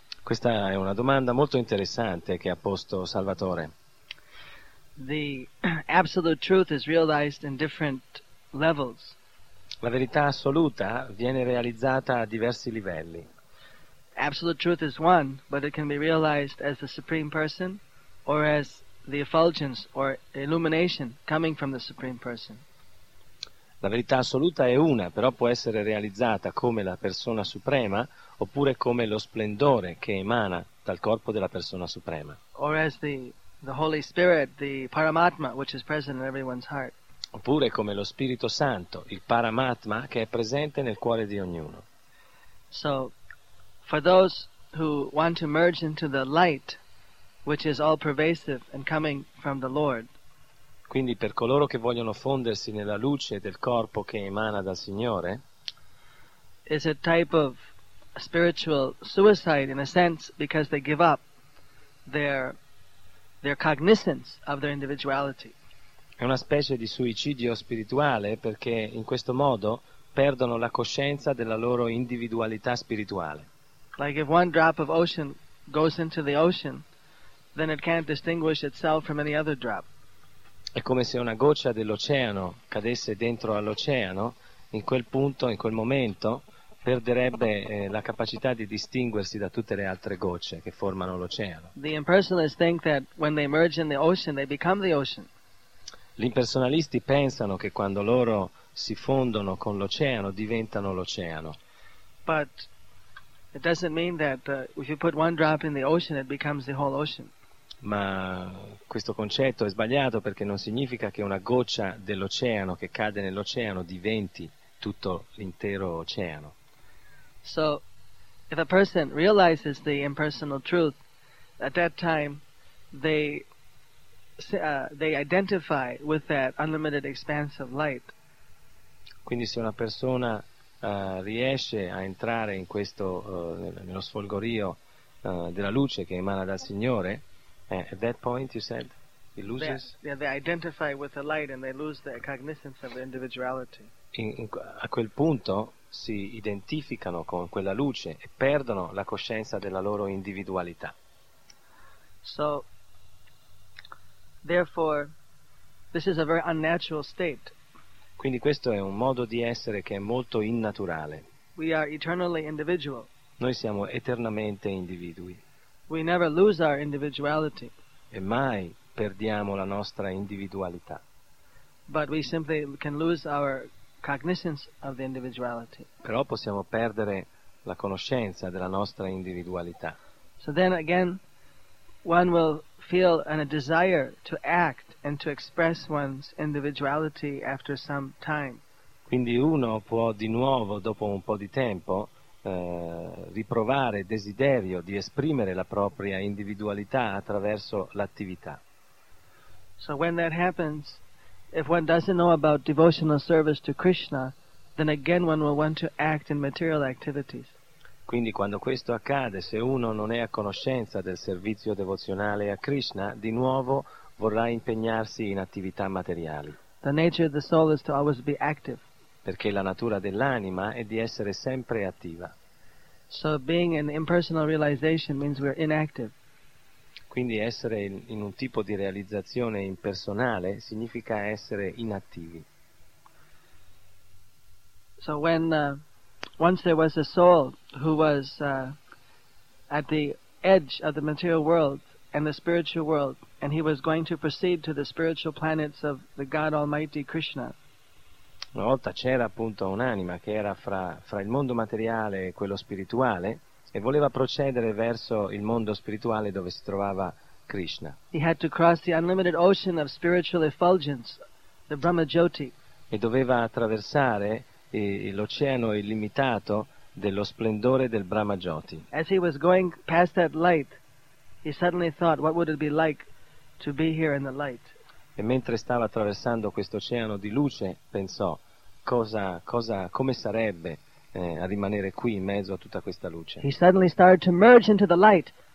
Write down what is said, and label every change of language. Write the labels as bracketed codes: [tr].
[it] Questa è una domanda molto interessante che ha posto Salvatore. [en] The absolute truth is realized in different levels. [it] La verità assoluta viene realizzata a diversi livelli. [en] Absolute truth is one, but it can be realized as the Supreme Person or as the effulgence or illumination coming from the Supreme Person. [it] La verità assoluta è una, però può essere realizzata come la persona suprema oppure come lo splendore che emana dal corpo della persona suprema. [en] Or as the Holy Spirit, the Paramatma, which is present in everyone's heart. [it] Oppure come lo Spirito Santo, il Paramatma, che è presente nel cuore di ognuno. [en] So, for those who want to merge into the light, which is all pervasive and coming from the Lord. [it] Quindi per coloro che vogliono fondersi nella luce del corpo che emana dal Signore. [en] Is a type of spiritual suicide in a sense because they give up their cognizance of their individuality. [it] È una specie di suicidio spirituale perché in questo modo perdono la coscienza della loro individualità spirituale. [en] Like if one drop of ocean goes into the ocean, then it can't distinguish itself from any other drop. [it] È come se una goccia dell'oceano cadesse dentro all'oceano, in quel punto, in quel momento, perderebbe la capacità di distinguersi da tutte le altre gocce che formano l'oceano. [en] The impersonalists think that when they merge in the ocean, they become the ocean. [it] Gli impersonalisti pensano che quando loro si fondono con l'oceano, diventano l'oceano. [en] But it doesn't mean that if you put one drop in the ocean, it becomes the whole ocean. [it] Ma questo concetto è sbagliato perché non significa che una goccia dell'oceano che cade nell'oceano diventi tutto l'intero oceano. [en] So, if a person realizes the impersonal truth, at that time they identify with that unlimited expanse of light. [it] Quindi se una persona riesce a entrare in questo nello sfolgorio della luce che emana dal Signore. [en] At that point, you said, he loses. They identify with the light and they lose the cognizance of their individuality. [it] A quel punto si identificano con quella luce e perdono la coscienza della loro individualità. [en] So, therefore, this is a very unnatural state. [it] Quindi questo è un modo di essere che è molto innaturale. [en] We are eternally individual. [it] Noi siamo eternamente individui. [en] We never lose our individuality. [it] E mai perdiamo la nostra individualità. [en] But we simply can lose our cognizance of the individuality. [it] Però possiamo perdere la conoscenza della nostra individualità. [en] So then again, one will feel a desire to act and to express one's individuality after some time. [it] Quindi uno può di nuovo, dopo un po' di tempo, riprovare desiderio di esprimere la propria individualità attraverso l'attività. [en] So when that happens, if one doesn't know about devotional service to Krishna, then again one will want to act in material activities. [it] Quindi quando questo accade, se uno non è a conoscenza del servizio devozionale a Krishna, di nuovo vorrà impegnarsi in attività materiali. [en] The nature of the soul is to always be active. [it] Perché la natura dell'anima è di essere sempre attiva. [en] So being an impersonal realization means we're inactive. [it] Quindi essere in un tipo di realizzazione impersonale significa essere inattivi. [en] So when once there was a soul who was at the edge of the material world and the spiritual world and he was going to proceed to the spiritual planets of the God Almighty Krishna. [it] Una volta c'era appunto un'anima che era fra il mondo materiale e quello spirituale e voleva procedere verso il mondo spirituale dove si trovava Krishna. [en] He had to cross the unlimited ocean of spiritual effulgence, the Brahma Jyoti. [it] E doveva attraversare l'oceano illimitato dello splendore del Brahma Jyoti. [en] As he was going past that light, he suddenly thought, what would it be like to be here in the light? [it] E mentre stava attraversando questo oceano di luce, pensò, come sarebbe a rimanere qui in mezzo a tutta questa luce? [en] He suddenly started to merge into the light.